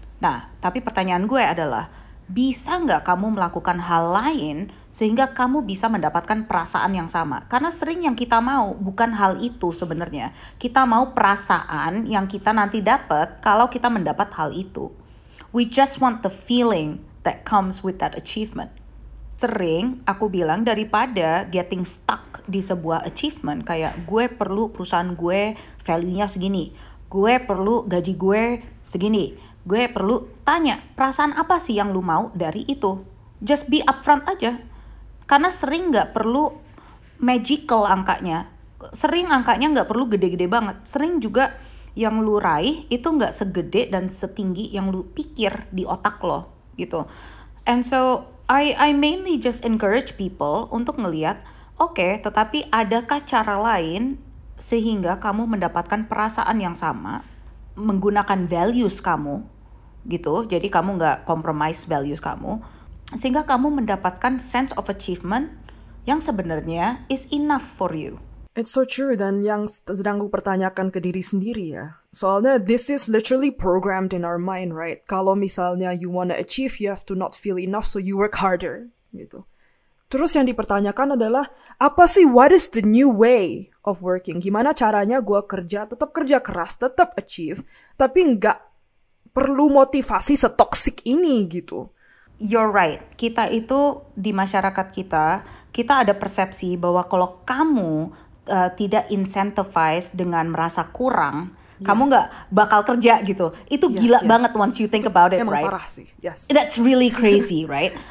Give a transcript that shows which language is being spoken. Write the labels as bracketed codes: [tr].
[id] Nah, tapi pertanyaan gue adalah, bisa gak kamu melakukan hal lain sehingga kamu bisa mendapatkan perasaan yang sama? Karena sering yang kita mau bukan hal itu sebenarnya. Kita mau perasaan yang kita nanti dapat kalau kita mendapat hal itu. [en] We just want the feeling that comes with that achievement. [id] Sering aku bilang daripada [en] getting stuck [id] di sebuah achievement, kayak gue perlu perusahaan gue value-nya segini, gue perlu gaji gue segini, gue perlu tanya perasaan apa sih yang lu mau dari itu. [en] Just be upfront [id] aja. Karena sering gak perlu magical angkanya. Sering angkanya gak perlu gede-gede banget. Sering juga yang lu raih itu gak segede dan setinggi yang lu pikir di otak lo gitu. [en] And so I mainly just encourage people [id] untuk ngelihat, okay, tetapi adakah cara lain sehingga kamu mendapatkan perasaan yang sama menggunakan values kamu gitu. Jadi kamu enggak compromise values kamu sehingga kamu mendapatkan sense of achievement yang sebenarnya [en] is enough for you. It's so true, [id] dan yang sedang gue pertanyakan ke diri sendiri ya. [en] Soalnya this is literally programmed in our mind, right? [id] Kalau misalnya [en] you wanna achieve, you have to not feel enough, so you work harder, gitu. [id] Terus yang dipertanyakan adalah, apa sih, [en] what is the new way of working? [id] Gimana caranya gue kerja, tetap kerja keras, tetap achieve, tapi nggak perlu motivasi setoxic ini, gitu. [en] You're right. [id] Kita itu, di masyarakat kita ada persepsi bahwa kalau kamu tidak incentivize dengan merasa kurang, yes, kamu gak bakal kerja gitu. [en] Itu yes, [id] gila yes banget [en] once you think about it, [id] emang [en] right? [id] Parah sih. Yes. [en] That's really crazy, right?